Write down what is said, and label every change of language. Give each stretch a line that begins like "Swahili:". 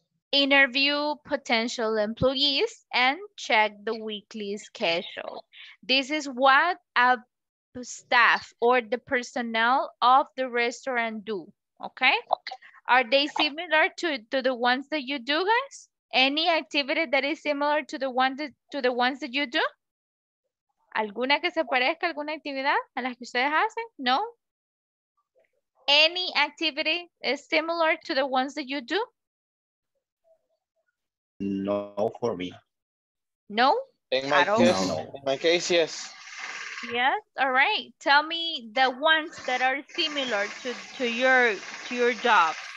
English: Interview potential employees and check the weekly schedule. This is what a staff or the personnel of the restaurant do, okay? Are they similar to the ones that you do, guys? Any activity that is similar to the one that, to the ones that you do?
Spanish: ¿Alguna que se parezca a alguna actividad a las que ustedes hacen?
English: No? Any activity is similar to the ones that you do? No for me. No? In my case, in my case, yes. Yes, all right. Tell me the ones that are similar to your job.